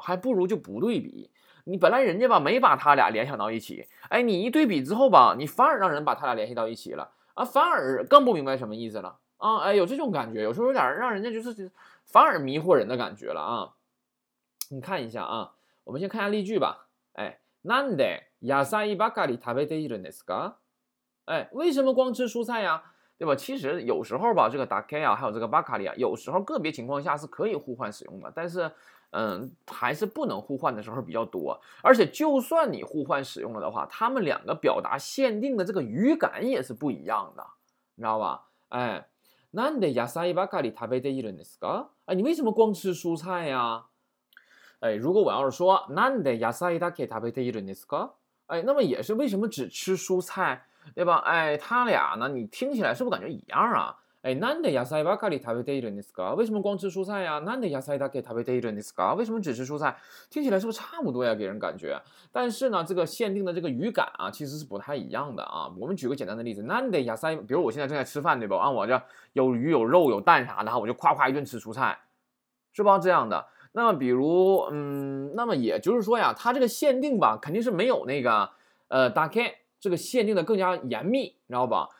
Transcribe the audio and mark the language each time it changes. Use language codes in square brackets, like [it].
[zh] 还不如就不对比，你本来人家吧没把他俩联想到一起，哎，你一对比之后吧你反而让人把他俩联系到一起了啊，反而更不明白什么意思了啊，哎，有这种感觉，有时候有点让人家就是反而迷惑人的感觉了啊。你看一下啊，我们先看一下例句吧。 [ja] 哎，なんで野菜ばかり食べているんですか？ [zh] 哎，为什么光吃蔬菜呀？对吧？其实有时候吧，这个だけ啊，还有这个ばかり啊，有时候个别情况下是可以互换使用的，但是还是不能互换的时候比较多。而且就算你互换使用了的话，他们两个表达限定的这个语感也是不一样的，你知道吧？哎。 [ja] なんで野菜ばかり食べているんですか？ [zh] 哎，你为什么光吃蔬菜呀？哎，如果我要是说 [ja] なんで野菜だけ食べているんですか？ [zh] 哎，那么也是为什么只吃蔬菜，对吧？哎，他俩呢，你听起来是不是感觉一样啊？ [ja] 哎，なんで野菜ばかり食べているんですか？ [zh] 为什么光吃蔬菜呀？ [ja] なんで野菜だけ食べているんですか？ [zh] 为什么只吃蔬菜？听起来是不是差不多呀？给人感觉，但是呢，这个限定的这个语感啊，其实是不太一样的啊。我们举个简单的例子， [ja] なんで野菜， [zh] 比如我现在正在吃饭，对吧？啊，我这有鱼有肉有蛋啥的，我就夸夸一顿吃蔬菜，是吧？这样的。那么比如，那么也就是说呀，它这个限定吧，肯定是没有那个だけ这个限定的更加严密，知道吧？